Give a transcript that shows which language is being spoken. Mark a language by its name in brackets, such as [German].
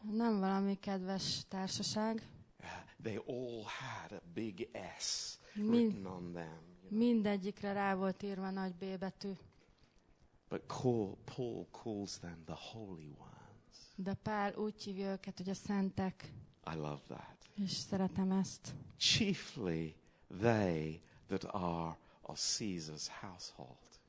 [Hungarian] Nem valami kedves társaság. [English] They all had a big S written on them. You know. [Hungarian] Mindegyikre rá volt írva nagy B betű. [English] But Paul calls them the holy ones. [Hungarian] De Pál úgy hívja őket, hogy a szentek. [English] I love that. [Hungarian] És szeretem ezt. [English] Chiefly they that are of Caesar's household.